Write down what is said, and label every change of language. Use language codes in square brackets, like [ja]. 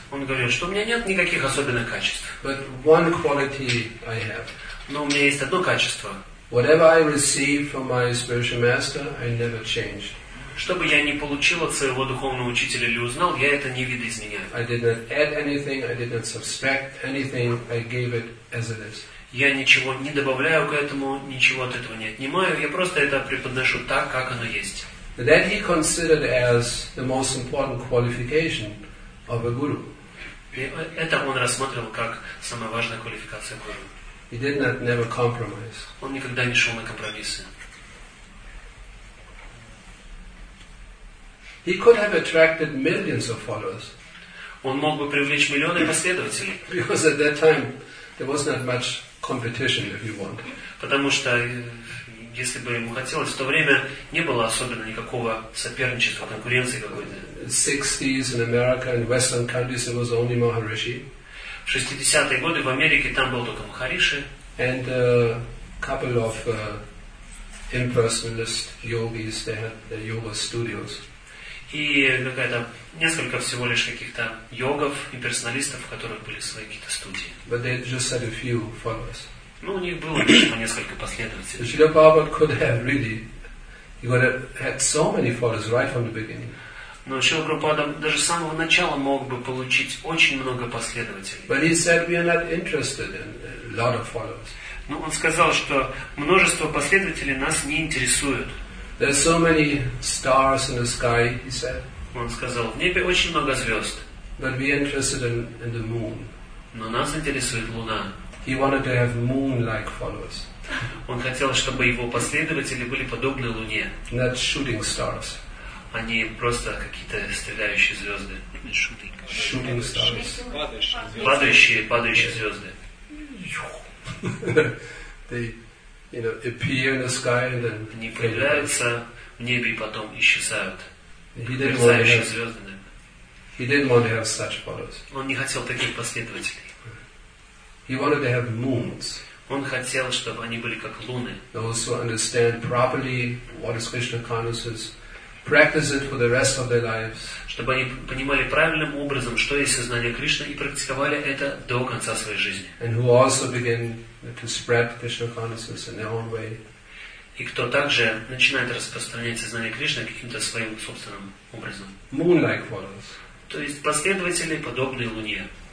[ru] Он говорил, что у меня нет никаких особенных качеств. [en] But one quality I have. [ru] Но у меня есть одно качество. [en] Whatever I receive from my spiritual master, I never change. [ru] Что бы я ни получил от своего духовного учителя или узнал, я это не видоизменяю. [en] I did not add anything, I did not subtract anything, I gave it as it is. [ru] Я ничего не добавляю к этому, ничего от этого не отнимаю, я просто это преподношу так, как оно есть. [en] That he considered as the most important qualification of a guru. [ru] И это он рассматривал как самая важная квалификация гуру. [en] He did not never compromise. [ru] Он никогда не шел на компромиссы. [en] He could have attracted millions of followers. [ru] Он мог бы привлечь миллионы последователей. [en] Because at that time there was not much competition, if you want. [ru] Потому что если бы ему хотелось, в то время не было особенно никакого соперничества, конкуренции какой-то. [en] 60s in America and Western countries there was only Maharishi. [ru] В 60-е годы в Америке там был только Махариши. [en] And a couple of impersonalist yogis, they had their yoga studios. [ru] И какая-то несколько всего лишь каких-то йогов и персоналистов, у которых были свои какие-то студии. [en] But they just had a few followers. [ru] Ну, у них было несколько последователей. [en] Шрила Прабхупада could have really Gaurav had so many photos right from the beginning. [ru] Но Шрила Прабхупада даже с самого начала мог бы получить очень много последователей. [en] But he said we are not interested in a lot of followers. [ru] Но он сказал, что множество последователей нас не интересует. [en] There are so many stars in the sky, he said. [ru] Он сказал, в небе очень много звезд. [en] But we are interested in the moon. [ru] Но нас интересует луна. [en] He wanted to have moon-like followers. [ru] Он хотел, чтобы его последователи были подобны луне. [en] Not shooting stars. [ru] Они просто какие-то стреляющие звезды. [en] Shooting stars. [ru] Падающие звезды. [en] They, you know, appear in the sky and then. [ru] Они появляются в небе и потом исчезают. Мерцающие звезды. [en] He didn't want to have such followers. [ru] Он не хотел таких последователей. [en] He wanted to have moons. [ru] Он хотел, чтобы они были как луны. [en] Those who understand properly what is Krishna consciousness. Practice it for the rest of their lives. [ru] Чтобы они понимали правильным образом, что есть сознание Кришны, и практиковали это до конца своей жизни. [en] And who also begin to spread Krishna consciousness in their own way. [ru] И кто также начинает распространять сознание Кришны каким-то своим собственным образом. [en] Moon-like followers. [ru] То есть последователи, подобные луне.